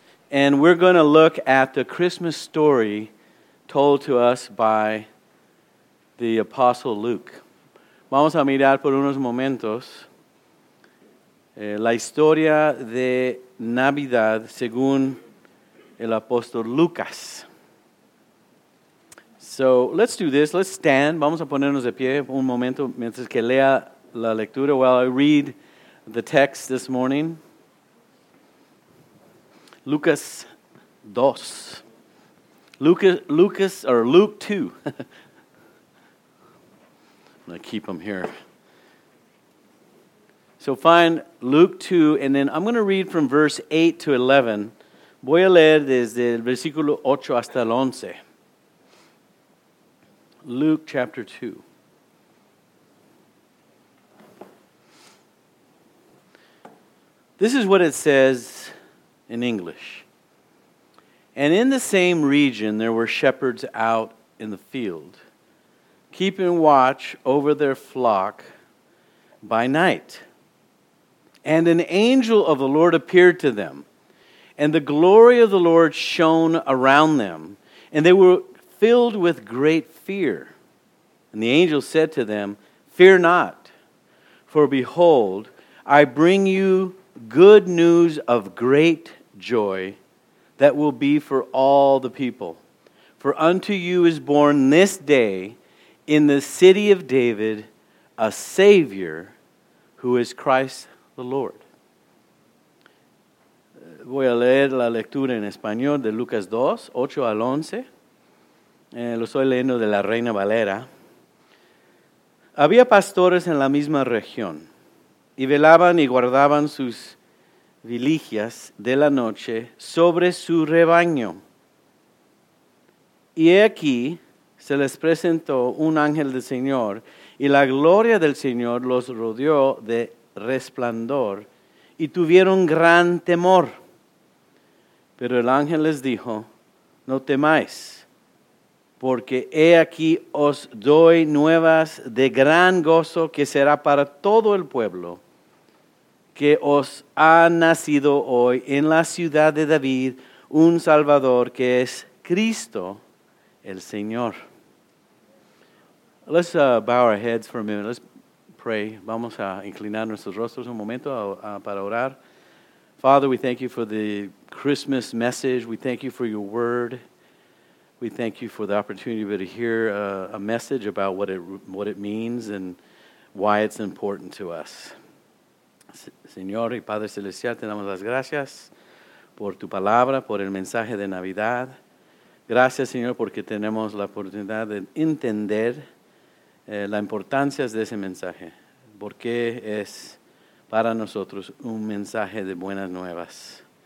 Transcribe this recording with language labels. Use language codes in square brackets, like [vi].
[en] And we're going to look at the Christmas story told to us by the Apostle Luke. [es] Vamos a mirar por unos momentos la historia de Navidad según el Apóstol Lucas. [en] So let's do this. Let's stand. [es] Vamos a ponernos de pie un momento mientras que lea la lectura. [en] While I read the text this morning. Lucas 2. Luke 2. I'm going to keep them here. So find Luke 2, and then I'm going to read from verse 8 to 11. [es] Voy a leer desde el versículo 8 hasta el 11. [en] Luke chapter 2. This is what it says in English. And in the same region there were shepherds out in the field, keeping watch over their flock by night. And an angel of the Lord appeared to them, and the glory of the Lord shone around them, and they were filled with great fear. And the angel said to them, "Fear not, for behold, I bring you good news of great joy that will be for all the people. For unto you is born this day in the city of David a Savior who is Christ the Lord." [es] Voy a leer la lectura en español de Lucas 2, 8 al 11. Lo estoy leyendo de la Reina Valera. Había pastores en la misma región y velaban y guardaban sus vigilias de la noche sobre su rebaño. Y he aquí, se les presentó un ángel del Señor, y la gloria del Señor los rodeó de resplandor, y tuvieron gran temor. Pero el ángel les dijo, "No temáis, porque he aquí os doy nuevas de gran gozo que será para todo el pueblo, que os ha nacido hoy en la ciudad de David un Salvador que es Cristo el Señor." [en] Let's bow our heads for a minute. Let's pray. [es] Vamos a inclinar nuestros rostros un momento para orar. [en] Father, we thank you for the Christmas message. We thank you for your word. We thank you for the opportunity to hear a message about what it means and why it's important to us. [es] Señor y Padre Celestial, te damos las gracias por tu palabra, por el mensaje de Navidad. Gracias, Señor, porque tenemos la oportunidad de entender la importancia de ese mensaje, porque es para nosotros un mensaje de buenas nuevas.